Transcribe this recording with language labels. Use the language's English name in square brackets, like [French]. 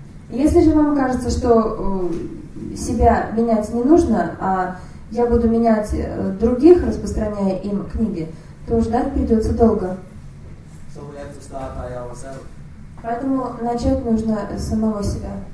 [Russian] Если же вам кажется, что себя менять не нужно, а я буду менять других, распространяя им книги, то ждать придется долго. [English] So we have to start by ourselves. [Russian] Поэтому начать нужно с самого себя.